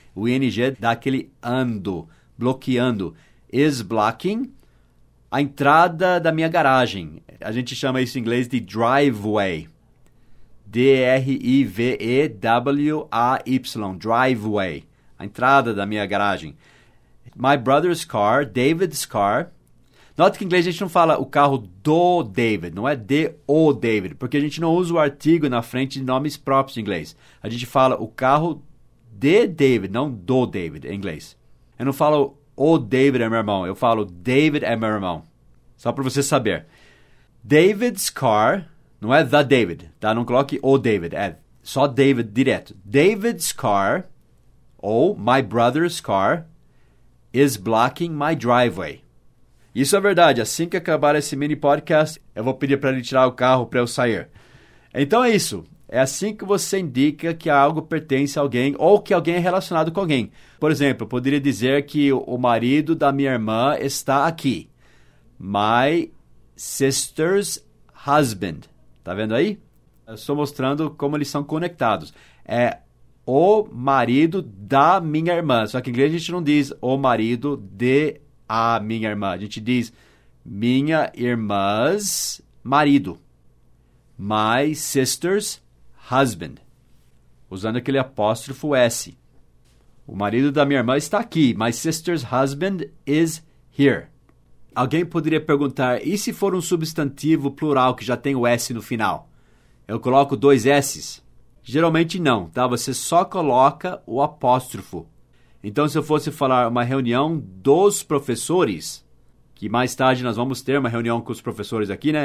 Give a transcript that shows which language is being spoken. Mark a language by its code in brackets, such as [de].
[pt] O ING dá aquele ando, bloqueando. [en] Is blocking [pt] a entrada da minha garagem. A gente chama isso em inglês de driveway. D-R-I-V-E-W-A-Y, driveway. A entrada da minha garagem. [en] My brother's car, David's car. [pt] Note que em inglês a gente não fala o carro do David, não é de o David, porque a gente não usa o artigo na frente de nomes próprios em inglês. A gente fala o carro de David, não do David em inglês. Eu não falo o David é meu irmão, eu falo David é meu irmão. Só para você saber. [en] David's car, [pt] não é [en] the David, [pt] tá? Não coloque o David, é só David direto. [en] David's car, ou my brother's car, is blocking my driveway. [pt] Isso é verdade. Assim que acabar esse mini podcast, eu vou pedir para ele tirar o carro para eu sair. Então é isso. É assim que você indica que algo pertence a alguém ou que alguém é relacionado com alguém. Por exemplo, eu poderia dizer que o marido da minha irmã está aqui. [en] My sister's husband. [pt] Tá vendo aí? Eu estou mostrando como eles são conectados. É o marido da minha irmã. Só que em inglês a gente não diz o marido de a minha irmã. A gente diz minha irmã's marido. [en] My sister's husband. [pt] Usando aquele apóstrofo S. O marido da minha irmã está aqui. [en] My sister's husband is here. [pt] Alguém poderia perguntar, e se for um substantivo plural que já tem o S no final? Eu coloco dois S? Geralmente não, tá? Você só coloca o apóstrofo. Então, se eu fosse falar uma reunião dos professores, que mais tarde nós vamos ter uma reunião com os professores aqui, né?